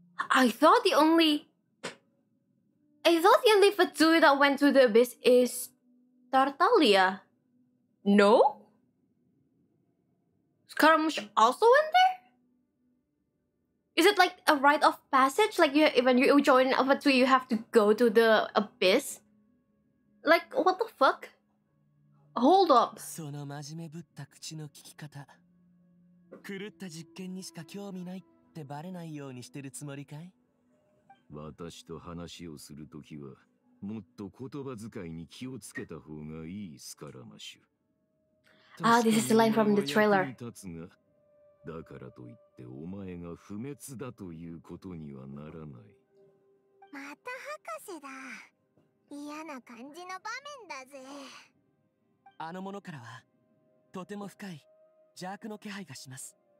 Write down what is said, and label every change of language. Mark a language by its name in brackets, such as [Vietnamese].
[English] I thought the only Fatui that went to the abyss is Tartaglia. No? Scaramouche also went there? Is it like a rite of passage? Like you, when you join Alpha 2, you have to go to the abyss? Like, what the fuck? Hold up. [Japanese] その真面目ぶった口の聞き方。狂った実験にしか興味ないってバレないようにしてるつもりかい？私と話をするときは、もっと言葉遣いに気をつけた方がいい、スカラマシュ。 [English] Ah, this is the line from the trailer. [Japanese] だからといってお前が不滅だということにはならない。また博士だ。嫌な感じの場面だぜ。あのものからはとても深い邪悪の気配がします。